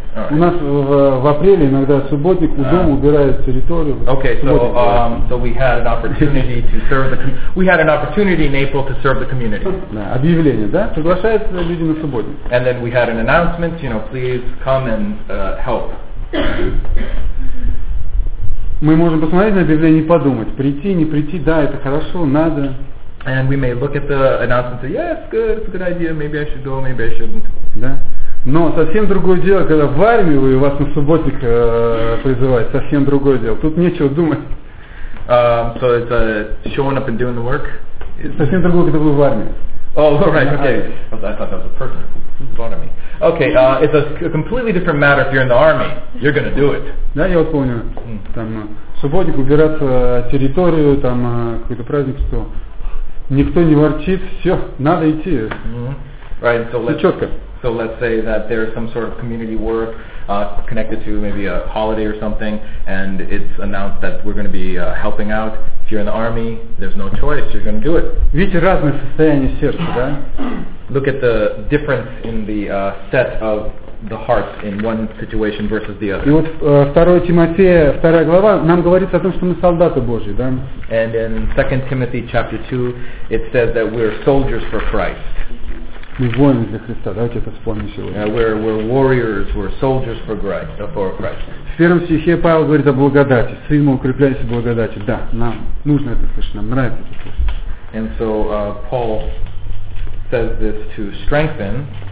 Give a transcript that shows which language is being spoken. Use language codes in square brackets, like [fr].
[ru] У нас в апреле иногда субботник у дома убирает территорию. [en] Okay, so we had an opportunity to serve the we had an opportunity in April to serve the community. [ru] Объявление, да? Приглашаются люди на субботник. [en] And then we had an announcement, you know, please come and help. [ru] Мы можем посмотреть на объявление и подумать, прийти, не прийти, да, это хорошо, надо. [en] And we may look at the announcement and say, yeah, it's a good idea, maybe I should go, maybe I shouldn't. [ru] Да. Но совсем другое дело, когда в армию вы, вас на субботник призывают, совсем другое дело. Тут нечего думать. [en] So it's showing up and doing the work? [ru] Совсем другое, когда вы в армии. [en] Oh, right, okay. I thought that was a person in front of me. Okay, it's a completely different matter if you're in the army. You're going to do it. [ru] Да, я вот помню, там, субботник, убираться территорию, там, какой-то праздник, что никто не ворчит, все, надо идти. [en] Mm-hmm. Right, so [ru] все четко. [en] So let's say that there's some sort of community work connected to maybe a holiday or something, and it's announced that we're going to be helping out. If you're in the army, there's no choice, you're going to do it. [ru] Видите разные состояния сердца, да? [en] Look at the difference in the set of the heart in one situation versus the other. [ru] И вот 2 Тимофея, 2 глава, нам говорится о том, что мы солдаты Божьи, да? [en] And in 2 Timothy chapter 2, it says that we're soldiers for Christ. [ru] Мы воины для Христа, давайте это вспомним сегодня. [en] We're warriors, we're soldiers for Christ. [ru] В первом стихе Павел говорит о благодати. Сын мы укрепляемся в благодати. Да, нам нужно это слышать, нам нравится это слышать. [en] And so Paul says this to strengthen